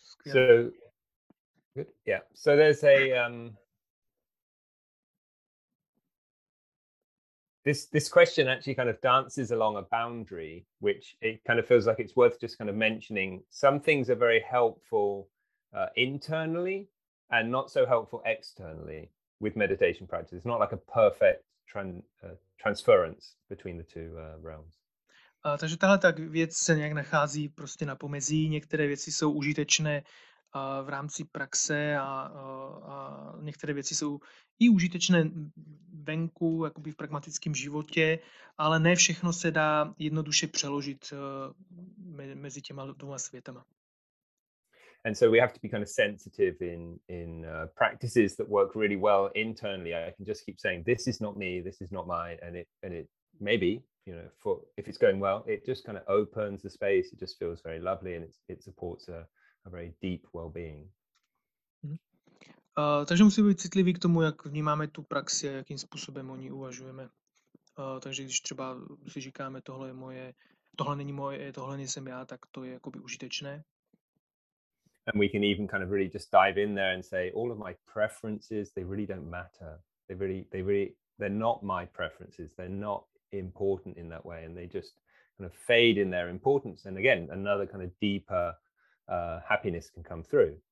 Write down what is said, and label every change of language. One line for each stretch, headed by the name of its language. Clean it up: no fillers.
English: So, yeah, so there's a, this question actually kind of dances along a boundary, which it kind of feels like it's worth just kind of mentioning. Some things are very helpful internally and not so helpful externally with meditation practice. It's not like a perfect transference between the two realms.
Czech: Takže tahle tak věc se nějak nachází prostě na pomezí. Některé věci jsou užitečné v rámci praxe a některé věci jsou i užitečné venku, jakoby v pragmatickém životě, ale ne všechno se dá jednoduše přeložit mezi těma dvěma světama.
English: And so we have to be kind of sensitive in practices that work really well internally. I can just keep saying, this is not me, this is not mine. And it maybe, you know, for if it's going well, it just kind of opens the space. It just feels very lovely and it supports a very deep well-being.
Czech: Takže musíme být citliví k tomu, jak vnímáme tu praxi a jakým způsobem o ní uvažujeme. Takže když třeba si říkáme, tohle je moje, tohle není moje, tohle nejsem já, tak to je jakoby užitečné.
English: And we can even kind of really just dive in there and say, all of my preferences, they really don't matter. They're not my preferences. They're not important in that way. And they just kind of fade in their importance. And again, another kind of deeper happiness can come through.